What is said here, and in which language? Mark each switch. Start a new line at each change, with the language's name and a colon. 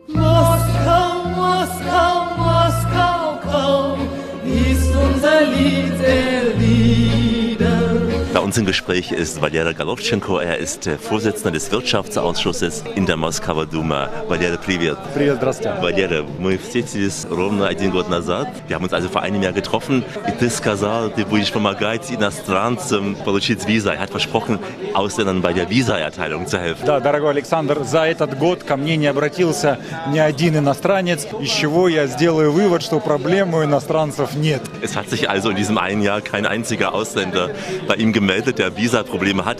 German: Moskau, Moskau, Moskau, komm, ist unser Lied der Lieder. Bei uns im Gespräch ist Valera Galovchenko, er ist Vorsitzender des Wirtschaftsausschusses in der Moskauer Duma. Valera,
Russian: привет. Привет, здравствуйте. Валера, мы встретились ровно один год назад.
German: Wir haben uns also vor einem Jahr getroffen.
Russian: И ты сказал, ты будешь помогать иностранцам получить визу.
German: Er hat versprochen, Ausländern bei der Visa-Erteilung zu helfen.
Russian: Да, дорогой Александр, за этот год ко мне не обратился ни один иностранец, из чего я сделаю вывод, что проблем у иностранцев нет.
German: Es hat sich also in diesem einen Jahr kein einziger Ausländer bei ihm gemeldet, der Visa-Probleme hat.